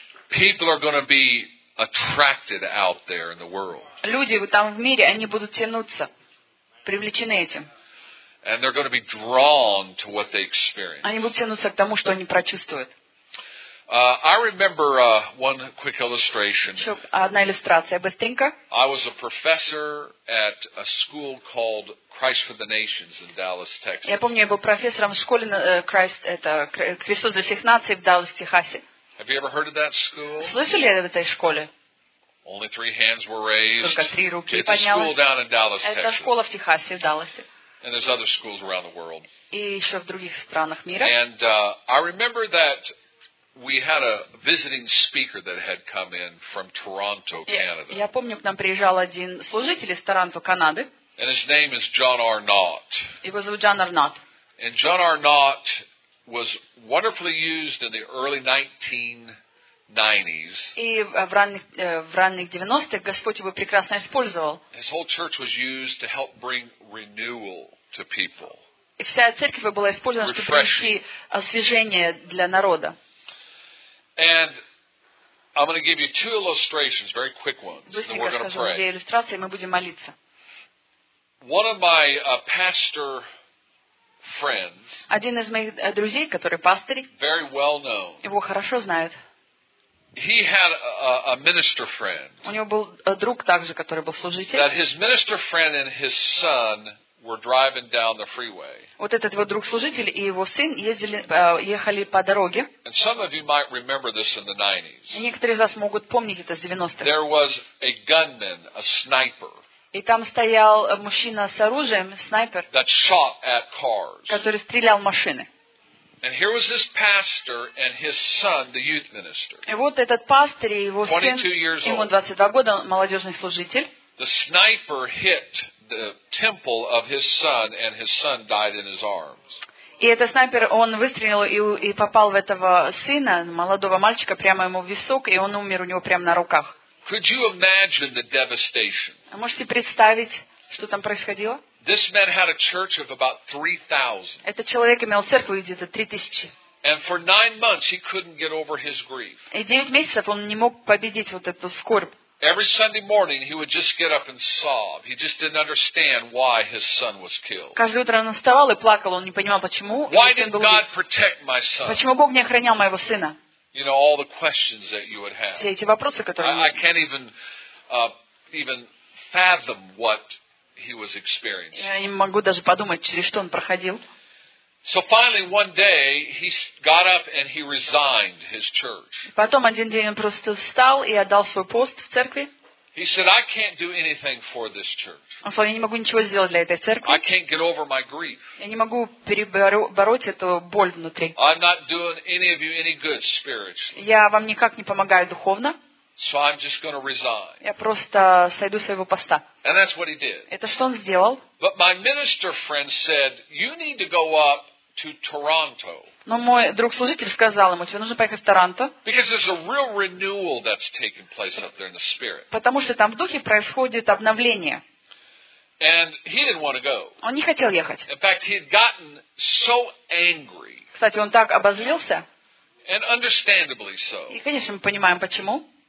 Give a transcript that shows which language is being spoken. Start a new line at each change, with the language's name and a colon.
English: People are going to be attracted out there in the world.
Russian: Люди там в мире, они будут тянуться, привлечены этим.
English: And they're going to be drawn to what they experience.
Russian: Они будут тянуться к тому, что они прочувствуют.
English: I remember one quick illustration.
Russian: Еще одна иллюстрация быстренько.
English: I was a professor at a school called Christ for the Nations in Dallas, Texas.
Russian: Я помню, я был профессором в школе Christ, это Христос для всех наций в Далласе, Техасе.
English: Have you ever heard of that school?
Russian: Слышали об этой школе?
English: Only 3 hands were raised.
Russian: Только 3 руки
English: It's
Russian: поднялось.
English: A school down in Dallas,
Russian: это
English: Texas.
Russian: Это школа в Техасе, в Далласе.
English: And there's other schools around the world.
Russian: И еще в других странах мира.
English: And I remember that we had a visiting speaker that had come in from Toronto, Canada.
Russian: Я помню, к нам приезжал один служитель из Торонто, Канады.
English: And his name is John Arnott.
Russian: Его зовут Джон Арнотт.
English: And John Arnott was wonderfully used in the early 1990s.
Russian: И в ранних 90-х Господь его прекрасно использовал.
English: His whole church was used to help bring renewal.
Russian: И вся церковь была использована, чтобы принести освежение для народа.
English: And I'm going to give you two illustrations, very quick ones, and then we're going to pray. One of my pastor friends,
Russian: один из моих друзей, который пастырь,
English: very well known,
Russian: его хорошо знают.
English: He had a minister friend.
Russian: У него был друг также, который был служитель.
English: That his minister friend and his son were driving down the freeway.
Russian: Вот этот вот друг служитель и его сын ездили, ехали по дороге.
English: And some of you might remember this in the 90s.
Russian: И некоторые из вас могут помнить это с 90-х.
English: There was a gunman, a sniper.
Russian: И там стоял мужчина с оружием, снайпер,
English: that shot at cars.
Russian: Который стрелял в машины.
English: And here was this pastor and his son, the youth minister.
Russian: И вот этот пастор и его сын, ему 22 года, молодежный служитель.
English: The sniper hit the temple of his son, and his son died in his arms.
Russian: И этот снайпер, он выстрелил и попал в этого сына, молодого мальчика, прямо ему в висок, и он умер у него прямо на руках.
English: Could you imagine the devastation?
Russian: А можете представить, что там происходило?
English: This man had a church of about 3,000.
Russian: Этот человек имел церковь где-то 3,000.
English: And for 9 months he couldn't get over his grief.
Russian: И 9 месяцев он не мог победить вот эту скорбь.
English: Every Sunday morning he would just get up and sob. He just didn't understand why his son was killed.
Russian: Каждое утро он вставал и плакал, он не понимал почему.
English: Why did God protect my son?
Russian: Почему Бог не охранял моего сына?
English: You know all the questions that you would have.
Russian: Все эти вопросы, которые
English: I can't even fathom what he was experiencing.
Russian: Я не могу даже подумать, через что он проходил.
English: So finally one day he got up and he resigned his church.
Russian: Потом один день он просто встал и отдал свой пост в церкви.
English: He said, I can't do anything for this church.
Russian: Он сказал, я не могу ничего сделать для этой церкви.
English: I can't get over my grief.
Russian: Я не могу перебороть эту боль внутри.
English: I'm not doing any of you any good spiritually.
Russian: Я вам никак не помогаю духовно.
English: So I'm just going to resign.
Russian: Я просто сойду с своего поста.
English: And that's what he did.
Russian: Это что он сделал?
English: But my minister friend said, you need to go up to Toronto.
Russian: Но мой друг-служитель сказал ему, тебе нужно поехать в Торонто.
English: Because there's a real renewal that's taking place up there in the spirit.
Russian: Потому что там в духе происходит обновление.
English: And he didn't want to go.
Russian: Он не хотел ехать.
English: In fact, he had gotten so angry.
Russian: Кстати, он так обозлился.
English: And understandably so.
Russian: И, конечно, мы понимаем почему.